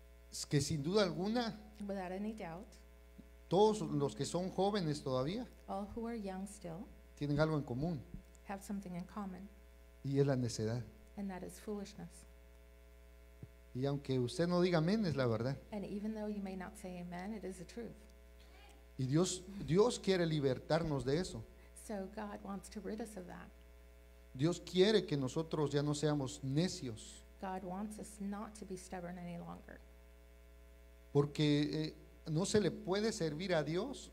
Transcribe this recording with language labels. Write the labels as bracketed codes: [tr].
[es] es que sin duda alguna [en] without any doubt, [es] todos los que son jóvenes todavía [en] all who are young still, [es] tienen algo en común [en] have something in common, [es] y es la necedad. [en] And that is foolishness. [es] Y aunque usted no diga amén, es la verdad. [en] And even though you may not say amen, it is the truth. [es] Y Dios quiere libertarnos de eso. [en] So God wants to rid us of that. [es] Dios quiere que nosotros ya no seamos necios. [en] God wants us not to be stubborn any longer. [es] Porque no se le puede servir a Dios.